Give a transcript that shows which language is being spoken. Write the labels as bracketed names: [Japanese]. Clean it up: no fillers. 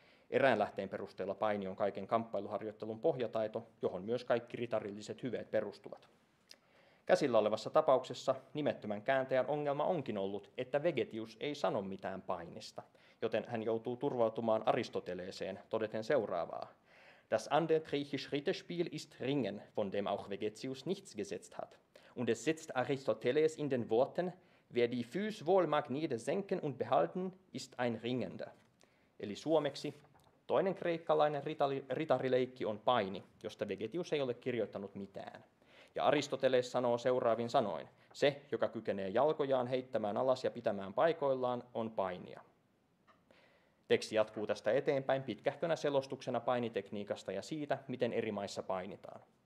[Finnish] Erään lähteen perusteella paini on kaiken kamppailuharjoittelun pohjataito, johon myös kaikki ritarilliset hyveet perustuvat. Käsillä olevassa tapauksessa nimettömän kääntäjän ongelma onkin ollut, että Vegetius ei sano mitään painista, joten hän joutuu turvautumaan Aristoteleeseen, todeten seuraavaa. [German] Das andere griechische Ritterspiel ist Ringen, von dem auch Vegetius nichts gesetzt hat. Und es setzt Aristoteles in den Worten, wer die Füße wohl mag nieder senken und behalten, ist ein Ringender. [Finnish] Eli suomeksi, toinen kreikkalainen ritarileikki on paini, josta Vegetius ei ole kirjoittanut mitään. Ja Aristoteles sanoo seuraavin sanoin, se, joka kykenee jalkojaan heittämään alas ja pitämään paikoillaan, on painia. Teksti jatkuu tästä eteenpäin pitkähkönä selostuksena painitekniikasta ja siitä, miten eri maissa painitaan.